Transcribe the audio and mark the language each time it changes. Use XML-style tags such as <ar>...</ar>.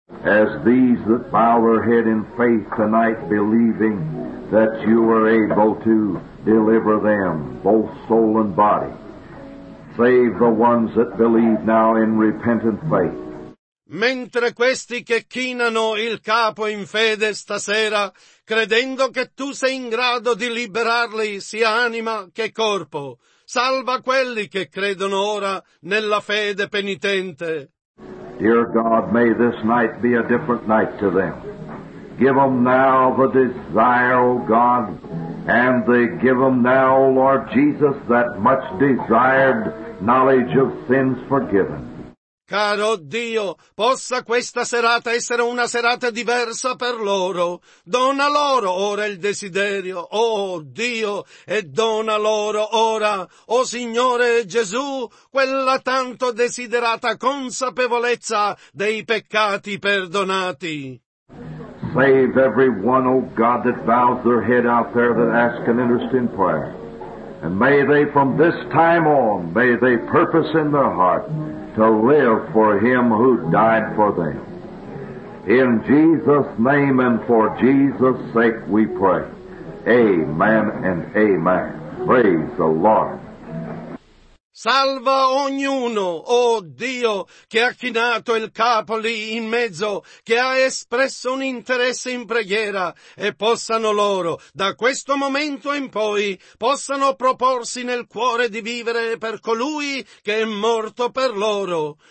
<en>As these that bow their head in faith tonight, believing that you are able to deliver them, both soul and body, save the ones that believe now in repentant faith.</en> <it>Mentre questi che chinano il capo in fede stasera, credendo che tu sei in grado di liberarli sia anima che corpo, salva quelli che credono ora nella fede penitente.</it> <en>Dear God, may this night be a different night to them. Give them now the desire, O God, and they give them now, O Lord Jesus, that much desired knowledge of sins forgiven.</en> <it>Caro Dio, possa questa serata essere una serata diversa per loro. Dona loro ora il desiderio, oh Dio, e dona loro ora, oh Signore Gesù, quella tanto desiderata consapevolezza dei peccati perdonati.</it> <en>Save everyone, oh God, that bows their head out there that asks an interesting prayer. And may they, from this time on, may they purpose in their heart to live for Him who died for them. In Jesus' name and for Jesus' sake we pray. Amen and amen. Praise the Lord.</en> <it>Salva ognuno, oh Dio, che ha chinato il capo lì in mezzo, che ha espresso un interesse in preghiera, e possano loro, da questo momento in poi, possano proporsi nel cuore di vivere per colui che è morto per loro.</it>